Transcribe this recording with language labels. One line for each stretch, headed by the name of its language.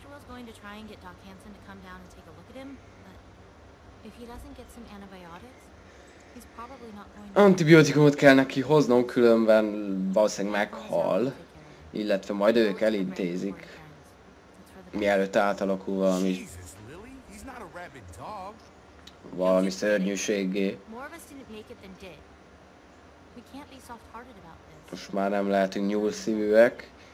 English: Going to try and get Doc Hansen to come down and take a look at him, but if he doesn't get some antibiotics, he's probably not going to...
Hungarian: Antibiotikumot kell neki hoznom, különben valószínűleg meghal, illetve majd ők elintézik, mielőtt átalakul valami...
English: Jesus, Lily, he's not a rabid dog.
Hungarian: Valami szörnyűségé.
English: More of us didn't make it than did. We can't be soft-hearted about this.
Hungarian: Most már nem lehetünk nyúlszívűek.